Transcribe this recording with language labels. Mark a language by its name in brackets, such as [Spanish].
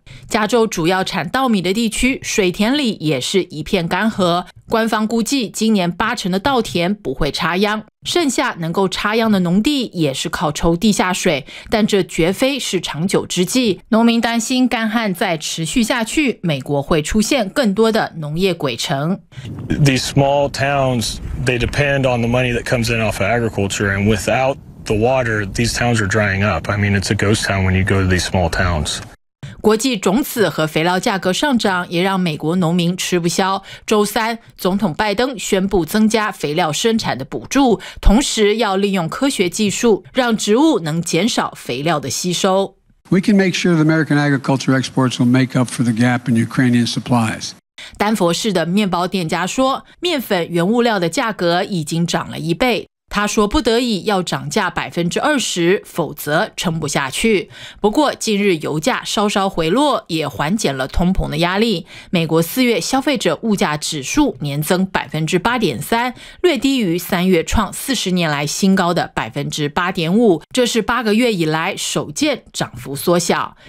[Chinese] 加州主要产稻米的地区，水田里也是一片干涸。官方估计今年八成的稻田不会插秧，剩下能够插秧的农地也是靠抽地下水，但这绝非是长久之计。农民担心干旱再持续下去，美国会出现更多的农业鬼城。 [English] These small towns, they depend on the money that comes in off of agriculture, and without the water, these towns are drying up. I mean, it's a ghost town when you go to these small towns. [Chinese] 国际种子和肥料价格上涨也让美国农民吃不消。周三，总统拜登宣布增加肥料生产的补助，同时要利用科学技术让植物能减少肥料的吸收。 [English] We can make sure the American agriculture exports will make up for the gap in Ukrainian supplies. [Chinese] 丹佛市的面包店家说，面粉原物料的价格已经涨了一倍。他说不得已要涨价 20%， 否则撑不下去。不过近日油价稍稍回落，也缓解了通膨的压力。美国四月消费者物价指数年增 8.3%， 略低于三月创40年来新高的 8.5%， 这是八个月以来首见涨幅缩小。